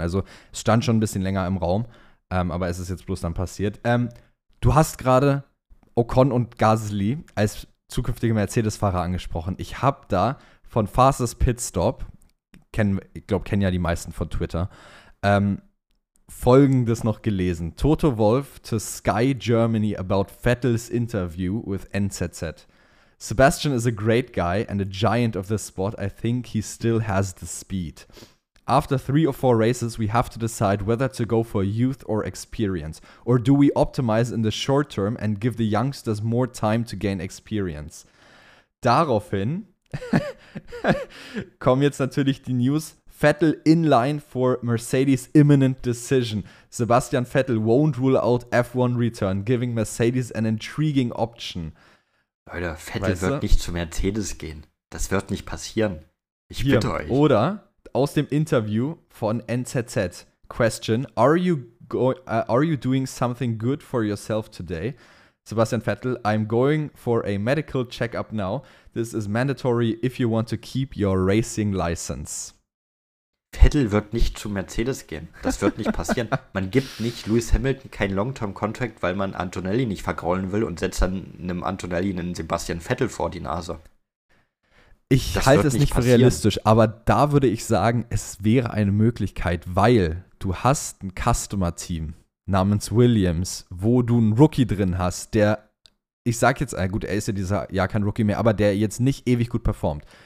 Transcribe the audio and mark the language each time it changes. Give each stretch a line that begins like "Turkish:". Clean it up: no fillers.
German: Also es stand schon ein bisschen länger im Raum, aber es ist jetzt bloß dann passiert. Du hast gerade Ocon und Gasly als zukünftige Mercedes-Fahrer angesprochen. Ich habe da von Fastest Pitstop, kennen ja die meisten von Twitter, Folgendes noch gelesen.
English: Toto Wolff to Sky Germany about Vettel's interview with NZZ. Sebastian is a great guy and a giant of the sport. I think he still has the speed. After 3 or 4 races, we have to decide whether to go for youth or experience. Or do we optimize in the short term and give the youngsters more time to gain experience?
German: Daraufhin kommen jetzt natürlich die News.
English: Vettel in line for Mercedes' imminent decision. Sebastian Vettel won't rule out F1 return, giving Mercedes an intriguing option.
German: Leute, Vettel wird nicht zu Mercedes gehen. Das wird nicht passieren. Ich bitte euch. Oder aus dem Interview von NZZ.
English: Question, are you doing something good for yourself today? Sebastian Vettel, I'm going for a medical checkup now. This is mandatory if you want to keep your racing license.
German: Vettel wird nicht zu Mercedes gehen. Das wird nicht passieren. Man gibt nicht Lewis Hamilton keinen Long-Term-Contract, weil man Antonelli nicht vergraulen will und setzt dann einem Antonelli einen Sebastian Vettel vor die Nase. Ich halte es nicht für realistisch, aber da würde ich sagen, es wäre eine Möglichkeit, weil du hast ein Customer-Team namens Williams, wo du einen Rookie drin hast, der, ich sag jetzt, gut, er ist ja dieser Jahr kein Rookie mehr, aber der jetzt nicht ewig gut performt.